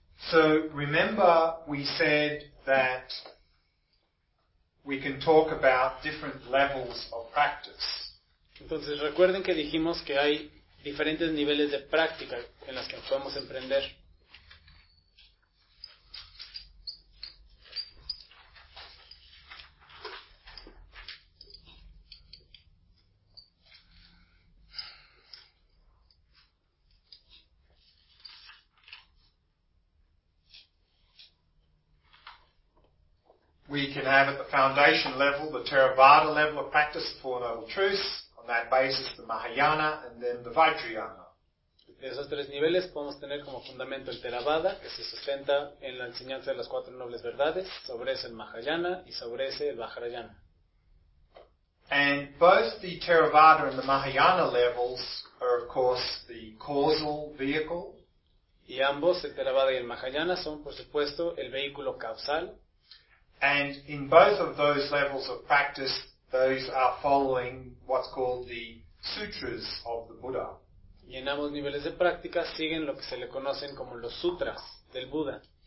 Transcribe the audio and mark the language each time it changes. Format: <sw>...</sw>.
<en>So remember, we said that we can talk about different levels of practice.</en> <es>Entonces recuerden que dijimos que hay diferentes niveles de práctica en las que podemos emprender.</es> <en>We can have at the foundation level, the Theravada level of practice, the Four Noble Truths. On that basis, the Mahayana, and then the Vajrayana.</en> <es>De esos tres niveles podemos tener como fundamento el Theravada, que se sustenta en la enseñanza de las cuatro nobles verdades, sobre ese el Mahayana y sobre ese el Vajrayana.</es> <en>And both the Theravada and the Mahayana levels are, of course, the causal vehicle.</en> <es>Y ambos, el Theravada y el Mahayana, son, por supuesto, el vehículo causal.</es> <en>And in both of those levels of practice, those are following what's called the sutras of the Buddha.</en> <es>Y en ambos niveles de práctica siguen lo que se le conocen como los sutras del Buda.</es>